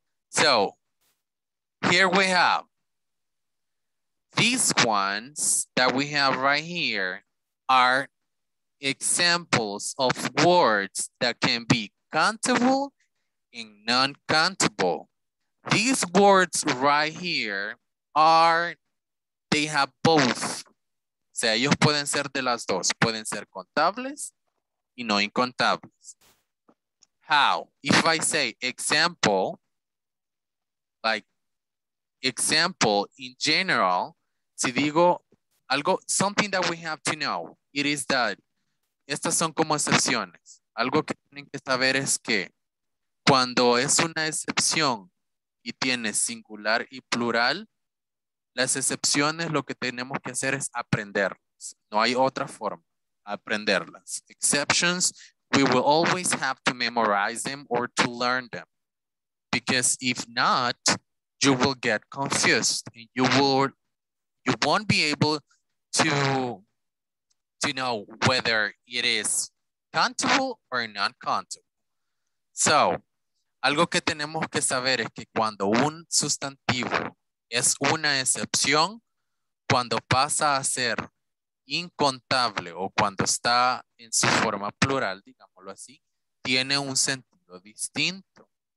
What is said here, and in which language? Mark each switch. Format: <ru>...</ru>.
<en>So here we have these ones that we have right here are examples of words that can be countable and non-countable. These words right here are, they have both.</en> <es>O sea, ellos pueden ser de las dos. Pueden ser contables y no incontables. How?</es> <en>If I say example, like example in general,</en> <es>si digo algo,</es> <en>something that we have to know, it is that,</en> <es>estas son como excepciones. Algo que tienen que saber es que cuando es una excepción, y tiene singular y plural, las excepciones lo que tenemos que hacer es aprenderlas. No hay otra forma, aprenderlas.</es> <en>Exceptions, we will always have to memorize them or to learn them. Because if not, you will get confused. You won't be able to know whether it is countable or non-countable. So,</en> <es>Algo que tenemos que saber es que cuando un sustantivo es una excepción, cuando pasa a ser incontable o cuando está en su forma plural, digámoslo así, tiene un sentido distinto.</es>